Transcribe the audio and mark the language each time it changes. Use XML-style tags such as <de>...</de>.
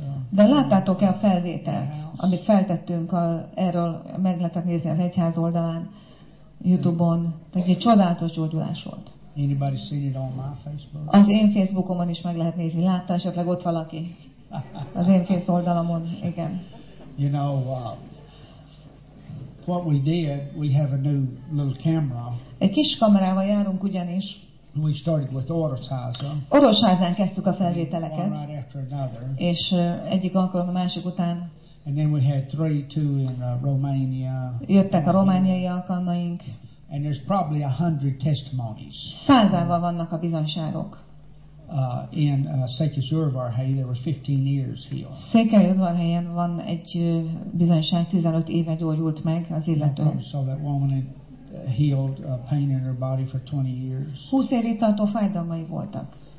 <hu>De láttátok-e a felvételt, amit feltettünk erről, meg lehetett nézni az egyház oldalán, YouTube-on. Tehát egy csodálatos gyógyulás volt.</hu> <en>Anybody seen it on my Facebook?</en> <hu>Az én Facebookomon is meg lehet nézni. Látta esetleg ott valaki? Az én Facebook oldalamon, igen.</hu> <en>You know, what we did, we have a new little camera.</en> <hu>Egy kis kamerával járunk ugyanis.</hu> <en>We started with Orosháza.</en> <hu>Orosházán kezdtük a felvételeket.</hu> <en>One right after another.</en> <hu>És egyik alkalom a másik után.</hu> <en>And then we had three, two in Romania.</en> <hu>Jöttek a romániai alkalmaink.</hu> <en>And there's probably 100 testimonies.</en> <hu>Százával vannak a bizonyságok.</hu> <en>In Székely Zsuzsa hely, there was 15 years healed.</en> <hu>Székely Zsuzsa helyen van egy bizonyság 15 éve gyógyult meg az illető.</hu> <en>So that woman healed pain in her body for 20 years.</en> <hu>20 évig tartó fájdalmai voltak.</hu>